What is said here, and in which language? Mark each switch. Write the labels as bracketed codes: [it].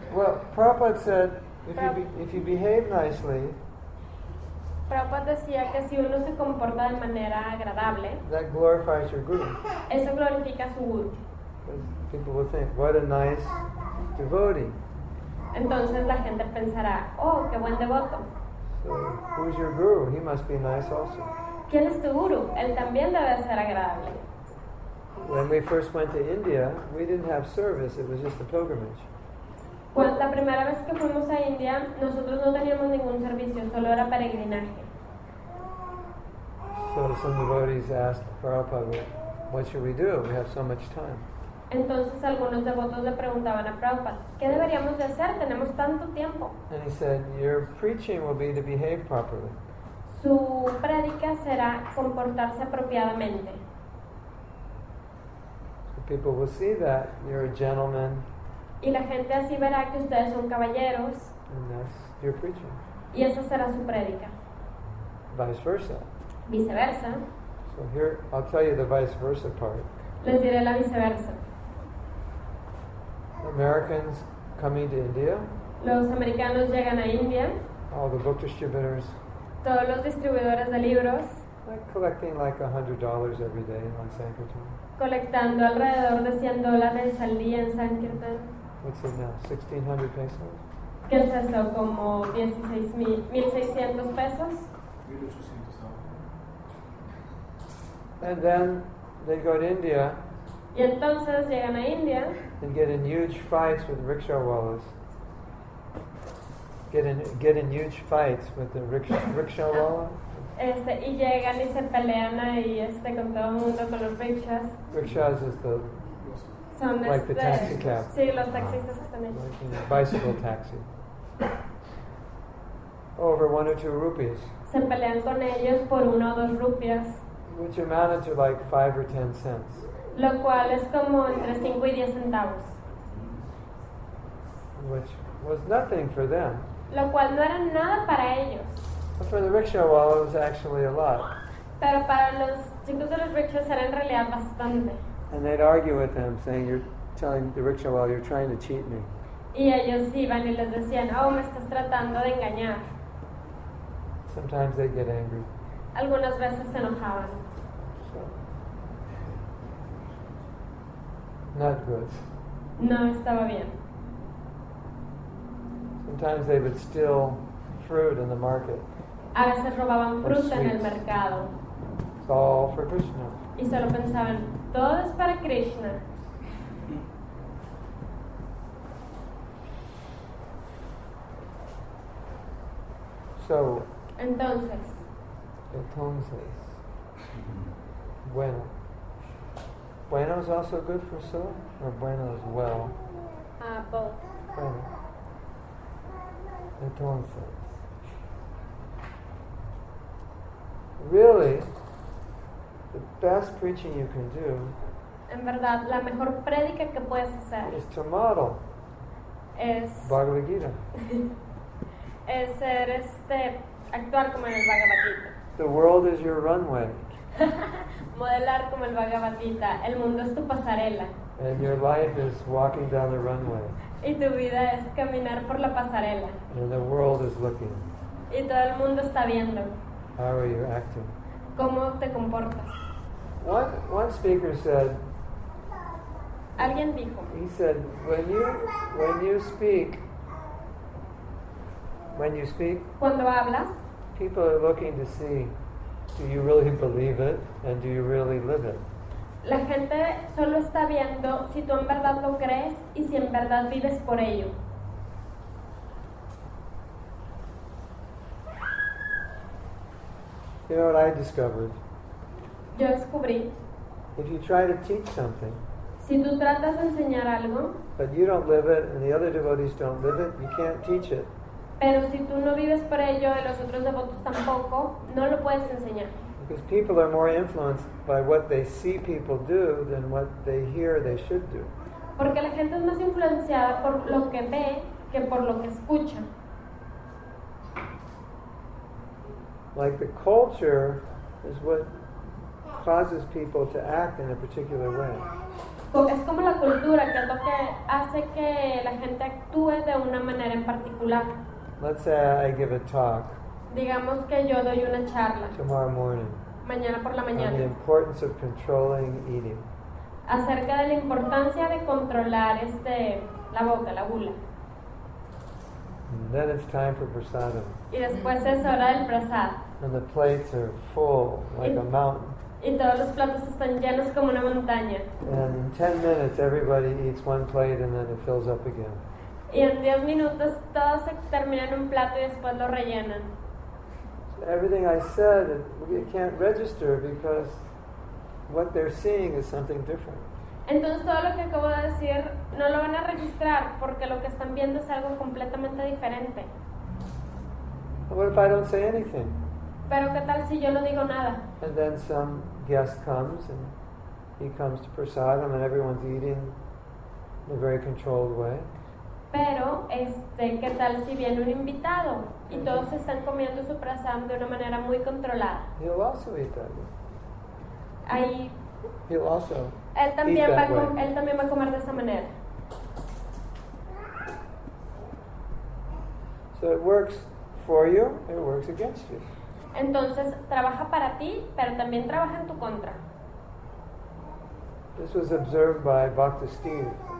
[en] Well, Prabhupada said if you behave nicely. [es] Prabhupada decía que si uno se comporta de manera agradable, [en] that glorifies your guru. [es] Eso glorifica a su guru. [en] People will think, what a nice devotee. [es] Entonces la gente pensará, oh, qué buen devoto. [en] So, who's your guru? He must be nice also. [es] ¿Quién es tu guru? Él también debe ser agradable. [en] When we first went to India, we didn't have service. It was just a pilgrimage. [es] Cuando la primera vez que fuimos a India, nosotros no teníamos ningún servicio, solo era peregrinaje. [en] So some devotees asked Prabhupada, what should we do? We have so much time. [es] Entonces algunos devotos le preguntaban a Prabhupada, ¿qué deberíamos de hacer? Tenemos tanto tiempo. [en] And he said, your preaching will be to behave properly. [es] Su prédica será comportarse apropiadamente. [en] So people will see that you're a gentleman, [es] Y la gente así verá que ustedes son caballeros. [en] And that's your preaching. [es] Y esa será su prédica. [en] Vice versa. [es] Viceversa. [en] So here, I'll tell you the vice versa part. [es] Les diré la viceversa. [en] Americans coming to India. [es] Los americanos llegan a India. [en] All the book distributors. [es] Todos los distribuidores de libros. [en] Like collecting like $100 every day on Sankirtan. [es] Colectando alrededor de $100 al día en Sankirtan. [en] What's it now? 1600 pesos. [es] ¿Qué es eso? Como 1600 pesos. [en] 1800. And then they go to India. [es] Y entonces llegan a India. [en] And get in huge fights with rickshaw wallahs. Get in huge fights with the rickshaw wallahs. [es] Y llegan y se pelean ahí con todo el mundo con los rickshaws. [en] Rickshaws is the [es] son [en] like the taxi cab. [es] Sí, los taxistas están ahí. [en] Like, bicycle taxi. Over 1 or 2 rupees. [es] Se pelean con ellos por 1 o 2 rupias. [en] Which amounted to like 5 or 10 cents. [es] Lo cual es como entre 5 y 10 centavos. [en] Which was nothing for them. [es] Lo cual no era nada para ellos. [en] For the rickshaw wall, it was actually a lot. [es] Pero para los chicos de los rickshaws era en realidad bastante. [en] And they'd argue with them, saying, "You're telling the rickshaw wall, you're trying to cheat me." [es] Y ellos iban y les decían, "Oh, me estás tratando de engañar." [en] Sometimes they'd get angry. [es] Algunas veces se enojaban. [en] So, not good. [es] No estaba bien. [en] Sometimes they would steal fruit in the market. [es] A veces robaban fruta en el mercado. [en] It's all for Krishna. [es] Y solo pensaban, todo es para Krishna. [en] So. [es] Entonces. Entonces. Bueno. [en] Bueno is also good for so, or bueno is well. Both. [es] Bueno. Entonces. [en] Really, the best preaching you can do. [es] En verdad, la mejor prédica que puedes hacer. [en] Is to model. [es] Es. [en] Bhagavad Gita. [es] Es ser actuar como en el Bhagavad Gita. [en] The world is your runway. [es] Modelar como el Bhagavad Gita. El mundo es tu pasarela. [en] And your life is walking down the runway. [es] Y tu vida es caminar por la pasarela. [en] And the world is looking. [es] Y todo el mundo está viendo. [en] How are you acting? [es] ¿Cómo te comportas? [en] One speaker said. [es] Alguien dijo. [en] He said, when you speak. [es] Cuando hablas. [en] People are looking to see, do you really believe it and do you really live it? [es] La gente solo está viendo si tú en verdad lo crees y si en verdad vives por ello. [en] You know what I discovered? [es] Yo descubrí. [en] If you try to teach something, [es] si tú tratas de enseñar algo, [en] but you don't live it and the other devotees don't live it, you can't teach it. [es] Pero si tú no vives por ello y los otros devotos tampoco, no lo puedes enseñar. [en] Because people are more influenced by what they see people do than what they hear they should do. [es] Porque la gente es más influenciada por lo que ve que por lo que escucha. [en] Like the culture is what causes people to act in a particular way. [es] Es como la cultura que es lo que hace que la gente actúe de una manera en particular. [en] Let's say I give a talk. [es] Digamos que yo doy una charla. [en] Tomorrow morning. [es] Mañana por la mañana. [en] On the importance of controlling eating. [es] Acerca de la importancia de controlar la boca, la gula. [en] And then it's time for prasadam. [es] Y después es hora del prasad. [en] And the plates are full, like a mountain. [es] Y todos los platos están llenos como una montaña. [en] And in 10 minutes everybody eats one plate and then it fills up again. [es] Y en 10 minutos todos se terminan un plato y después lo rellenan. [en] So everything I said, it can't register because what they're seeing is something different. [es] Entonces todo lo que acabo de decir no lo van a registrar porque lo que están viendo es algo completamente diferente. [en] What if I don't say anything? [es] Pero qué tal si yo no digo nada? [en] And then some guest comes and he comes to prasadam and everyone's eating in a very controlled way. [es] Pero, ¿qué tal si viene un invitado y todos están comiendo su prasam de una manera muy controlada? [en] He'll also eat that way. [es] Ahí. [en] He'll also. [es] Él también va a comer de esa manera. [en] So it works for you, it works against you. [es] Entonces trabaja para ti, pero también trabaja en tu contra. [en] This was observed by Bhakti Steve.